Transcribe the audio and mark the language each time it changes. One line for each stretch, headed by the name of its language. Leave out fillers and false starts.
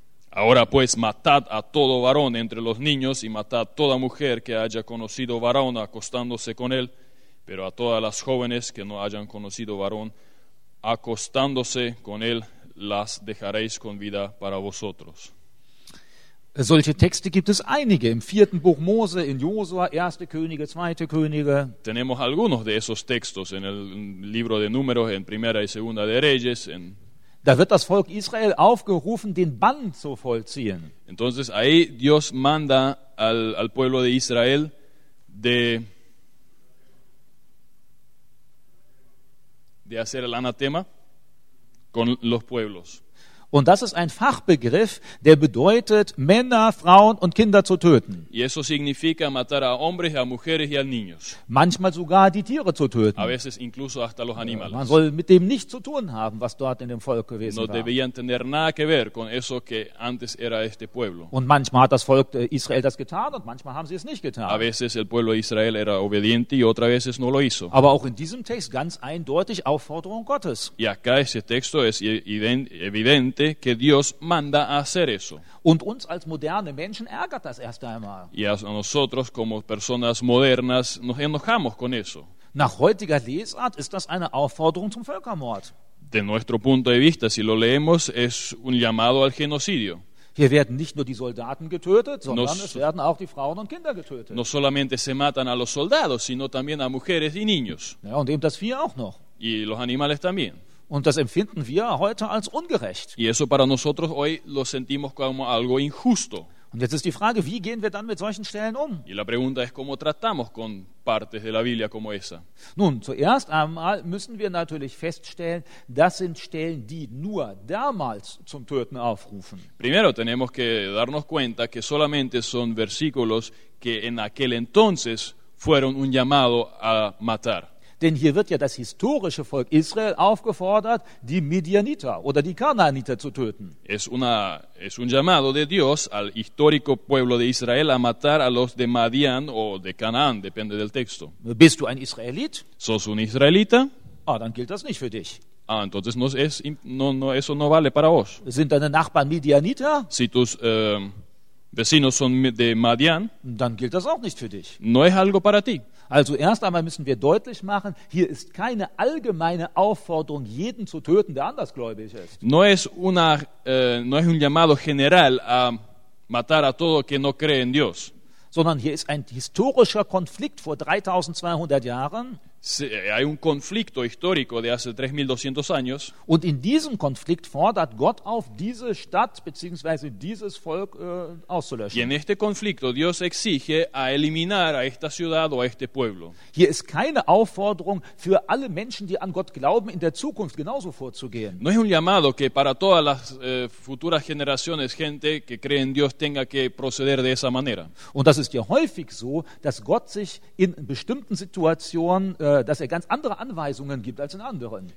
Spanish: Ahora pues, matad a todo varón entre los niños, y matad toda mujer que haya conocido varón acostándose con él, pero a todas las jóvenes que no hayan conocido varón acostándose con él, las dejaréis con vida para vosotros.
German: Solche Texte gibt es einige im vierten Buch Mose, in Josua, erste Könige, zweite Könige.
Spanish: Tenemos algunos de esos textos en el libro de Números, en primera y segunda de Reyes.
German: Da wird das Volk Israel aufgerufen, den Bann zu vollziehen.
Spanish: Entonces ahí Dios manda al pueblo de Israel de hacer el anatema con los pueblos.
German: Und das ist ein Fachbegriff, der bedeutet, Männer, Frauen und Kinder zu töten.
Spanish: Y eso significa matar a hombres, a mujeres y a niños.
German: Manchmal sogar die Tiere zu töten.
Spanish: A veces incluso hasta los animales.
German: Man soll mit dem nichts zu tun haben, was dort in dem Volk gewesen
Spanish: no
German: war.
Spanish: No debían tener nada que ver con eso que antes era este pueblo.
German: Und manchmal hat das Volk Israel das getan und manchmal haben sie es nicht getan.
Spanish: A veces el pueblo de Israel era obediente y otras veces no lo hizo.
German: Aber auch in diesem Text ganz eindeutig Aufforderung Gottes.
Spanish: Y acá ese texto es evidente que Dios manda a hacer eso.
German: Und uns als moderne Menschen ärgert das erst einmal.
Spanish: Y a nosotros como personas modernas nos enojamos con eso.
German: Nach heutiger Lesart ist das eine Aufforderung zum Völkermord.
Spanish: De nuestro punto de vista, si lo leemos, es un llamado al genocidio.
German: Hier werden nicht nur die Soldaten getötet, sondern es werden auch die Frauen und Kinder getötet.
Spanish: No solamente se matan a los soldados, sino también a mujeres y niños.
German: Ja, und eben das Vieh auch noch.
Spanish: Y los animales también.
German: Und das empfinden wir heute als ungerecht.
Spanish: Y eso para nosotros hoy lo sentimos como algo injusto.
German: Und jetzt ist die Frage, wie gehen wir dann mit solchen Stellen um?
Spanish: Y la pregunta es cómo tratamos con partes de la Biblia como esa.
German: Nun, zuerst einmal müssen wir natürlich feststellen, das sind Stellen, die nur damals zum Töten aufrufen.
Spanish: Primero tenemos que darnos cuenta que solamente son versículos que en aquel entonces fueron un llamado a matar.
German: Denn hier wird ja das historische Volk Israel aufgefordert, die Midianiter oder die Kanaaniter zu töten.
Spanish: Es un llamado de Dios al histórico pueblo de Israel a matar a los de Madian o de Canaán, depende del texto.
German: Bist du ein Israelit?
Spanish: Sos un israelita?
German: Ah, dann gilt das nicht für dich.
Spanish: Ah, entonces eso no vale para vos.
German: Sind deine Nachbarn Midianiter?
Spanish: Si tus vecinos son de Madian,
German: dann gilt das auch nicht für dich.
Spanish: No es algo para ti.
German: Also erst einmal müssen wir deutlich machen, hier ist keine allgemeine Aufforderung, jeden zu töten, der andersgläubig ist.
Spanish: No es un llamado general a matar a todo que no cree en Dios.
German: Sondern hier ist ein historischer Konflikt vor 3200 Jahren.
Spanish: Sí, hay un conflicto histórico de hace 3200 años.
German: Und in diesem Konflikt fordert Gott auf, diese Stadt bzw. dieses Volk auszulöschen.
Spanish: Y en este conflicto Dios exige a eliminar a esta ciudad o a este pueblo.
German: Hier ist keine Aufforderung für alle Menschen, die an Gott glauben, in der Zukunft genauso vorzugehen.
Spanish: No es un llamado que para todas las futuras generaciones gente que cree en Dios tenga que proceder de esa manera.
German: Und das ist ja häufig so, dass Gott sich in bestimmten Situationen dass er ganz andere Anweisungen gibt als in anderen.